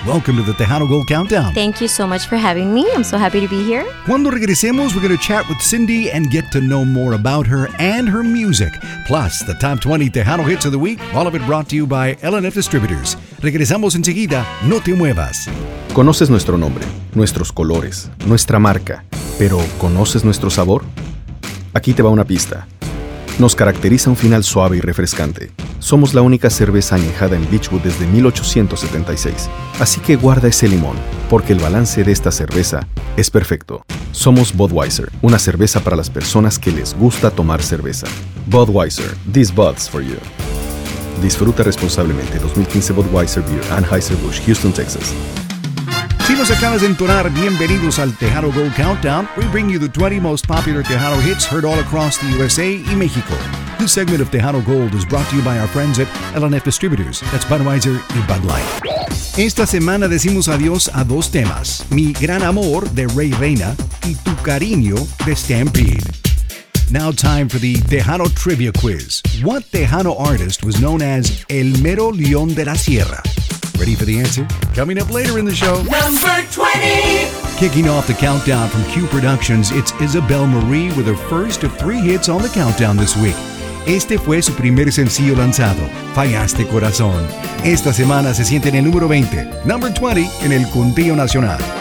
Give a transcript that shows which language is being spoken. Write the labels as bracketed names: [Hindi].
[English] Welcome to The Tejano Gold Countdown. Thank you so much for having me. I'm so happy to be here. [Spanish] Cuando regresemos, [English] we're going to chat with Cindy and get to know more about her and her music. Plus, the top 20 Tejano hits of the week, all of it brought to you by L&F Distributors. [Spanish] Regresamos enseguida. No te muevas. ¿Conoces nuestro nombre? Nuestros colores, nuestra marca, pero ¿conoces nuestro sabor? Aquí te va una pista. Nos caracteriza un final suave y refrescante. Somos la única cerveza añejada en Beachwood desde 1876. Así que guarda ese limón, porque el balance de esta cerveza es perfecto. Somos Budweiser, una cerveza para las personas que les gusta tomar cerveza. [English] Budweiser, this Bud's for you. [Spanish] Disfruta responsablemente 2015 Budweiser Beer, Anheuser-Busch, Houston, Texas. Si nos acabas de entonar, bienvenidos al Tejano Gold Countdown. [English] We bring you the 20 most popular Tejano hits heard all across the USA [Spanish] y México. [English] This segment of Tejano Gold is brought to you by our friends at L&F Distributors. That's Budweiser y Bud Light. [Spanish] Esta semana decimos adiós a dos temas. Mi Gran Amor de Rey Reyna y Tu Cariño de Stampede. [English] Now time for the Tejano Trivia Quiz. What Tejano artist was known as El Mero León de la Sierra? Ready for the answer? Coming up later in the show. Number 20! Kicking off the countdown from Q Productions, it's Isabel Marie with her first of three hits on the countdown this week. [Spanish] Este fue su primer sencillo lanzado, Fallaste Corazón. Esta semana se siente en el número 20, [English] number 20 [Spanish] en el Contigo Nacional.